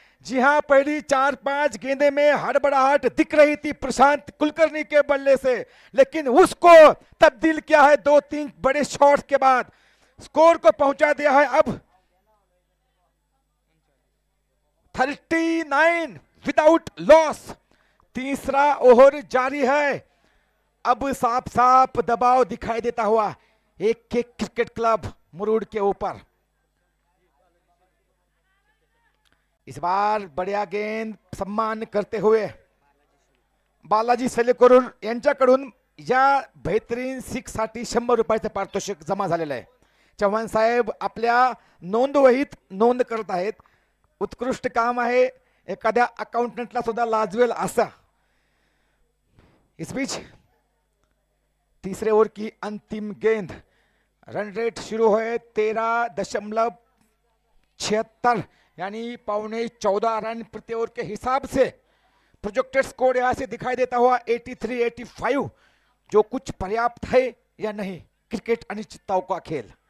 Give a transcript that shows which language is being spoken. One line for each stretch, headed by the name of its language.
Hindi: जी हां, पहली 4-5 गेंदे में हड़बड़ाहट दिख रही थी प्रशांत कुलकर्णी के बल्ले से, लेकिन उसको तब्दील किया है 2-3 बड़े शॉट के बाद, स्कोर को पहुंचा दिया है अब 39 विदाउट लॉस। तीसरा ओवर जारी है, अब साफ साफ दबाव दिखाई देता हुआ एक-एक क्रिकेट क्लब मुरुड़ के ऊपर। इस बार बढ़िया गेंद, सम्मान करते हुए
Marathi: बालाजी सलेकरूर यांच्याकडून या बेहतरीन सिक्स साठी 100 रुपयाचे पारितोषिक जमा झालेलं आहे। चव्हाण साहेब आपल्या नोंदवहीत नोंद करत आहेत, उत्कृष्ट काम आहे, एखाद्या अकाउंटंटला सुद्धा लाजवेल असा।
Hindi: इस बीच तीसरे ओवर की अंतिम गेंद, रन रेट शुरू हुए 13.76 यानी 14.25 रन प्रति ओवर के हिसाब से। प्रोजेक्टेड स्कोर यहां से दिखाई देता हुआ 83-85, जो कुछ पर्याप्त है या नहीं, क्रिकेट अनिश्चितताओं का खेल।